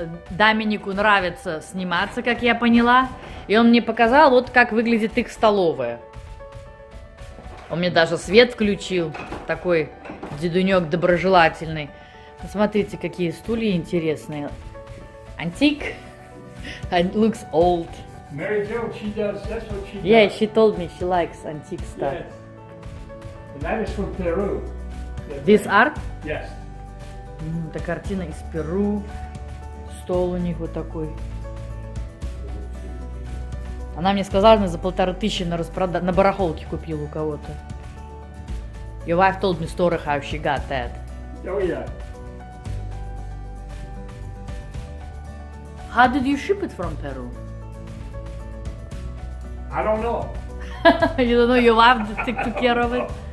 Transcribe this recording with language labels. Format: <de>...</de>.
<ru>Доминику нравится сниматься, как я поняла. И он мне показал, вот как выглядит их столовая. Он мне даже свет включил. Такой дедунек доброжелательный. Посмотрите, какие стулья интересные. Антик.</ru> <en>It looks old. Mary Jo, she does, that's what she does. Yeah, she told me she likes antique stuff. Yes. And that is from Peru. This art? Yes.</en> <ru>Это картина из Перу. Стол у них вот такой. Она мне сказала, она за 1500 на барахолке купила у кого-то.</ru> <en>Your wife told me story how she got that. Oh, yeah. How did you ship it from Peru? I don't know. You don't know your wife just took care of it?</en>